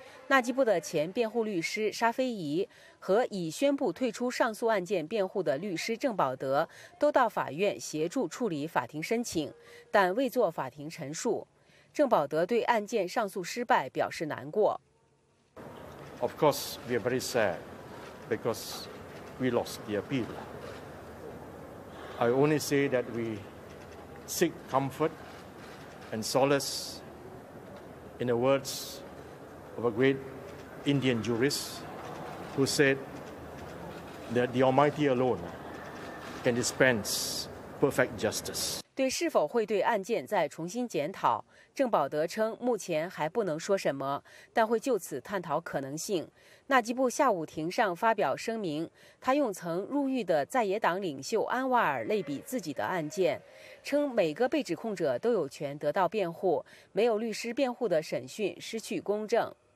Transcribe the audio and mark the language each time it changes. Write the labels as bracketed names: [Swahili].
[Chinese] 纳吉布的前辩护律师沙菲仪和已宣布退出上诉案件辩护的律师郑保德都到法院协助处理法庭申请，但未做法庭陈述。郑保德对案件上诉失败表示难过。 [English] Of course, we are very sad because we lost the appeal. I only say that we seek comfort and solace in the words of a great Indian jurist who said that the Almighty alone can dispense perfect justice. [Chinese] 对是否会对案件再重新检讨？郑保德称，目前还不能说什么，但会就此探讨可能性。纳吉布下午庭上发表声明，他用曾入狱的在野党领袖安瓦尔类比自己的案件，称每个被指控者都有权得到辩护，没有律师辩护的审讯失去公正。